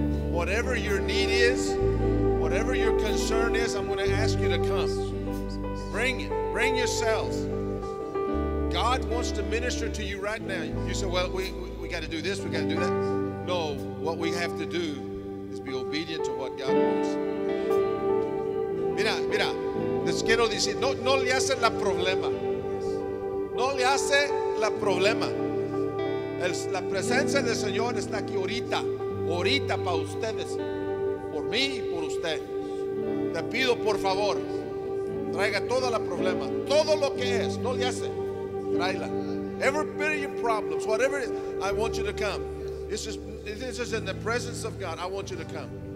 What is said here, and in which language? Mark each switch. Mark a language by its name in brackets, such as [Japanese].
[English] Whatever your need is, whatever your concern is, I'm going to ask you to come. Bring it. Bring yourselves. God wants to minister to you right now. You say, well, we got to do this, we got to do that. No, what we have to do is be obedient to what God wants. [Spanish] Mira, les quiero decir, no le hace la problema. No le hace la problema. La presencia del Señor está aquí ahorita. Ahorita para ustedes, por mí y por usted. Te pido por favor, traiga toda la problema, todo lo que es, no le hace, tráela. [English] Every bit of your problems, whatever it is, I want you to come. This is in the presence of God, I want you to come.